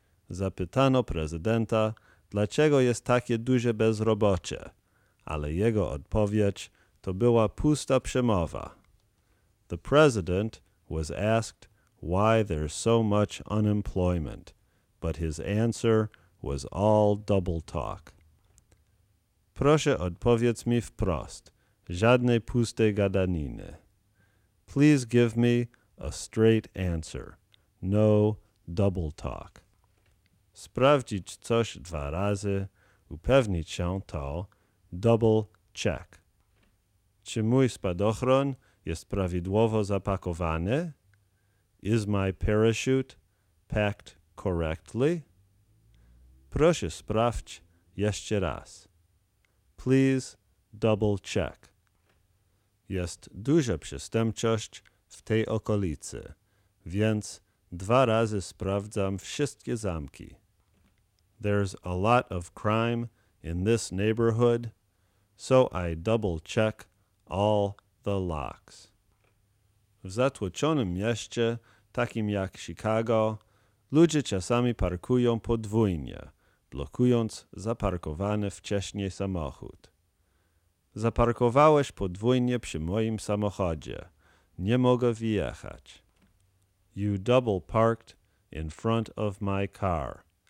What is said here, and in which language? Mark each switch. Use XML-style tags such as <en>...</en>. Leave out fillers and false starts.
<pl>Zapytano prezydenta, dlaczego jest takie duże bezrobocie, ale jego odpowiedź to była pusta przemowa.</pl> <en>The president was asked why there's so much unemployment, but his answer was all double talk.</en> <pl>Proszę odpowiedz mi wprost, żadnej pustej gadaniny.</pl> <en>Please give me a straight answer, no double talk.</en> <pl>Sprawdzić coś dwa razy, upewnić się to,</pl> <en>double check.</en> <pl>Czy mój spadochron jest prawidłowo zapakowany?</pl> <en>Is my parachute packed correctly?</en> <pl>Proszę sprawdź jeszcze raz.</pl> <en>Please double check.</en> <pl>Jest duża przestępczość w tej okolicy, więc dwa razy sprawdzam wszystkie zamki.</pl> <en>There's a lot of crime in this neighborhood, so I double check all the locks.</en> <pl>W zatłoczonym mieście, takim jak Chicago, ludzie czasami parkują podwójnie, blokując zaparkowany wcześniej samochód. Zaparkowałeś podwójnie przy moim samochodzie. Nie mogę wyjechać.</pl> <en>You double parked in front of my car.</en>